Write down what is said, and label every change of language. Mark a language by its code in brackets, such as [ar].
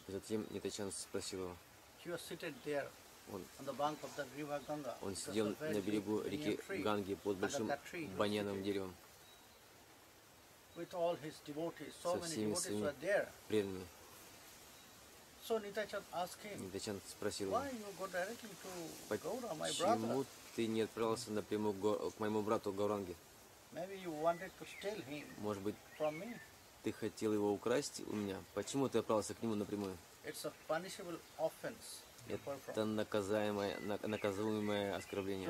[ru] Затем Нитайчанд спросил его. [en] He was seated there. On the bank of the river Ganga. [ru] Он сидел на берегу реки Ганги под большим баняном деревом. [en] With all his devotees, so many devotees were there. [ru] Преданными. [en] So Nitai-chand asked him. [ru] Nitai-chand спросил его. [en] Why you go directly to Gaura, my brother? [ru] Почему ты не отправился напрямую к моему брату Гауранге? [en] Maybe you wanted to steal him. [ru] Может быть, [en] from me? [ru] Ты хотел его украсть у меня. Почему ты отправился к нему напрямую? [en] It's a punishable offense. [ru] Это наказуемое, наказуемое оскорбление.